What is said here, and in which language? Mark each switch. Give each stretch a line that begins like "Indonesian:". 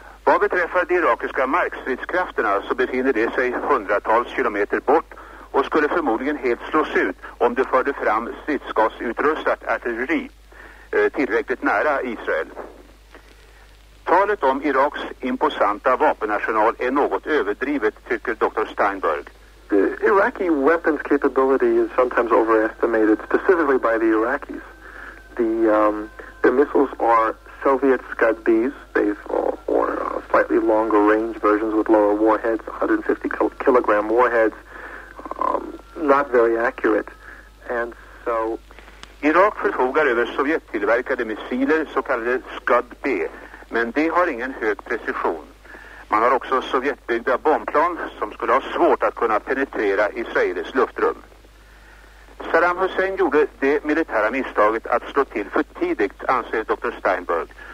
Swedish: Vad beträffar de irakiska markstridskrafterna så befinner det sig hundratals kilometer bort och skulle förmodligen helt slås ut om det förde fram stridsgasutrustat artilleri tillräckligt nära Israel. Talet om Iraks imposanta vapenarsenal är något överdrivet, tycker Dr. Steinberg.
English: The Iraqi weapons capability is sometimes overestimated, specifically by the Iraqis. The missiles are Soviet Scud Bs, slightly longer range versions with lower warheads, 150 kilogram warheads, not very accurate. And so,
Swedish: Irak förfogar över sovjettillverkade missiler, så kallade Scud B, men det har ingen hög precision. Man har också sovjetbyggda bombplan som skulle ha svårt att kunna penetrera israelisk luftrum. Saddam Hussein gjorde det militära misstaget att slå till för tidigt, anser Dr. Steinberg.